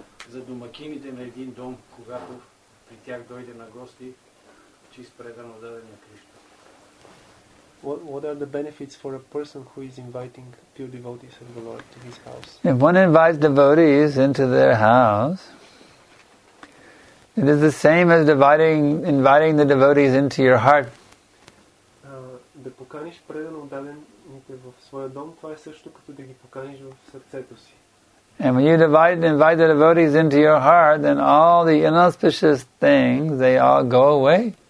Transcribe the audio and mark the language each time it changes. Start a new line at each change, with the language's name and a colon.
Bulgarian: За домакините на един дом, когато при тях дойде на гости, чист предано дадения Кришна.
English: What are the benefits for a person who is inviting pure devotees of the Lord to his house? If one invites devotees into their house, it is the same as inviting the devotees into your heart.
Bulgarian: Да поканиш предано дадените в своя дом, това е също като да ги поканиш в сърцето си.
English: And when you invite the devotees into your heart, then all the inauspicious things, they all go away.